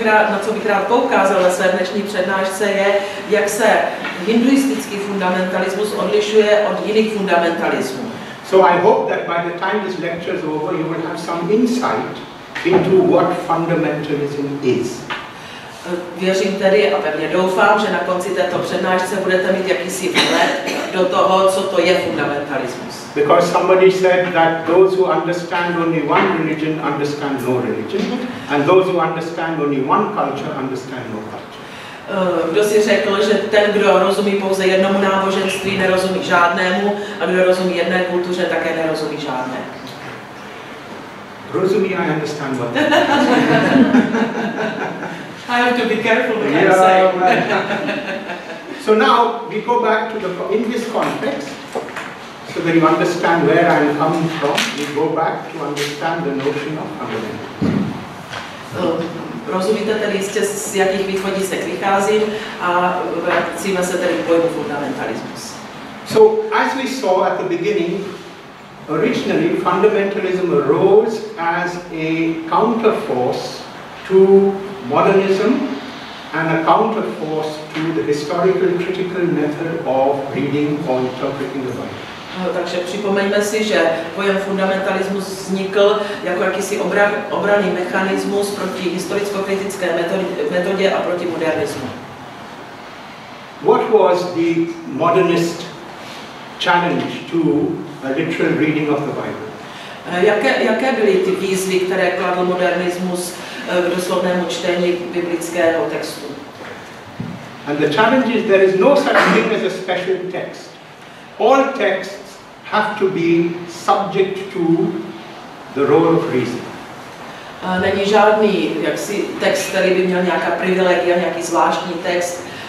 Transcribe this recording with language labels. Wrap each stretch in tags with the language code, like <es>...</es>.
<cs>Na co bych rád poukázal ve své dnešní přednášce je, jak se hinduistický fundamentalismus odlišuje od jiných fundamentalismů.</cs> <en>So I hope that by the time this lecture is over, you will have some insight into what fundamentalism is.</en> <cs>Věřím tedy a pevně doufám, že na konci této přednášce budete mít jakýsi vhled do toho, co to je fundamentalismus.</cs> <en>Because somebody said that those who understand only one religion understand no religion, and those who understand only one culture understand no culture.</en> <cs>Kdo si řekl, že ten, kdo rozumí pouze jednomu náboženství, nerozumí žádnému, a kdo rozumí jedné kultuře, také nerozumí žádné. Rozumí,</cs> <en>I understand what I have to be careful what I say. So now we go back to the in this context, so that you understand where I am coming from. We go back to understand the notion of fundamentalism.</en> <cs>Rozumíte tedy jistě, z jakých východisek vycházím a vracíme se tedy k pojmu fundamentalismus.</cs> <en>So as we saw at the beginning, originally fundamentalism arose as a counterforce to modernism and a counterforce to the historical critical method of reading or interpreting the Bible.</en> <cs>Takže připomeňme si, že pojem fundamentalismus vznikl jako jakýsi obranný mechanismus proti historicko-kritické metodě a proti modernismu.</cs> <en>What was the modernist challenge to a literal reading of the Bible?</en> <cs>Jaké byly ty výzvy, které kladl modernismus k doslovnému čtení biblického textu?</cs> <en>And the challenge is there is no such thing as a special text. All texts have to be subject to the role of reason.</en> <cs>Není žádný jaksi text, který by měl nějaká privilegia, nějaký zvláštní text.</cs>